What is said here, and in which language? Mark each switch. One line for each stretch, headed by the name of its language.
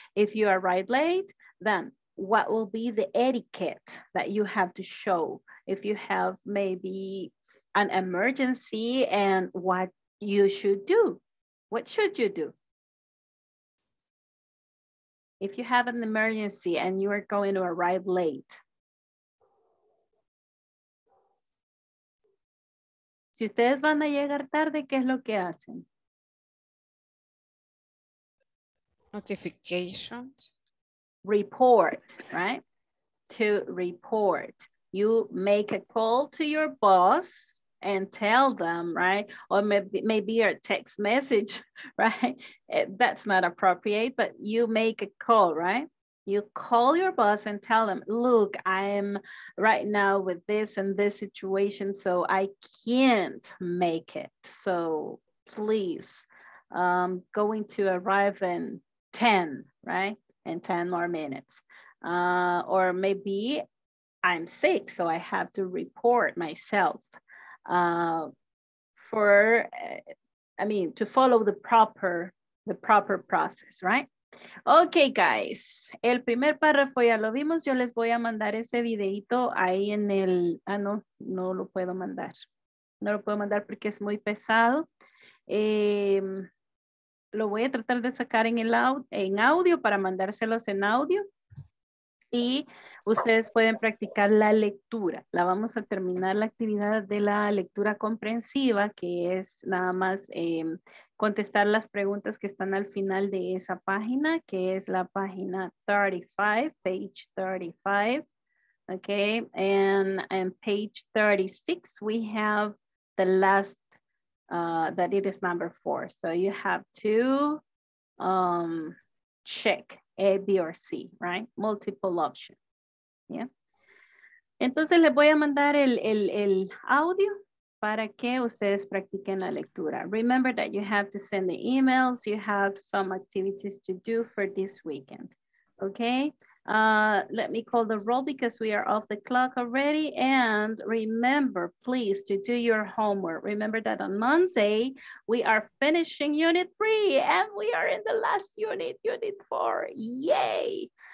English: If you arrive late, then what will be the etiquette that you have to show if you have maybe an emergency and what you should do? What should you do? If you have an emergency and you are going to arrive late.
Spanish: Si ustedes van a llegar tarde, ¿qué es lo que hacen?
English: Notifications. Report, right? To report. You make a call to your boss and tell them, right? Or maybe your text message, right? That's not appropriate, but you make a call, right? You call your boss and tell them, look, I'm right now with this and this situation, so I can't make it. So please, I'm going to arrive in 10, right? In 10 more minutes. Or maybe I'm sick, so I have to report myself to follow the proper process, right? Okay, guys.
Spanish: El primer párrafo ya lo vimos. Yo les voy a mandar ese videito ahí en el... no lo puedo mandar. No lo puedo mandar porque es muy pesado. Lo voy a tratar de sacar en audio para mandárselos en audio. Y ustedes pueden practicar la lectura. La vamos a terminar la actividad de la lectura comprensiva, que es nada más contestar las preguntas que están al final de esa página, que es la página 35,
English: page 35. Okay, and page 36, we have the last that it is number 4. So you have to check A, B, or C, right? Multiple option. Yeah.
Spanish: Entonces les voy a mandar el audio para que ustedes practiquen la lectura.
English: Remember that you have to send the emails. You have some activities to do for this weekend. Okay. Let me call the roll because we are off the clock already. And remember, please, to do your homework. Remember that on Monday, we are finishing Unit 3 and we are in the last unit, Unit 4. Yay!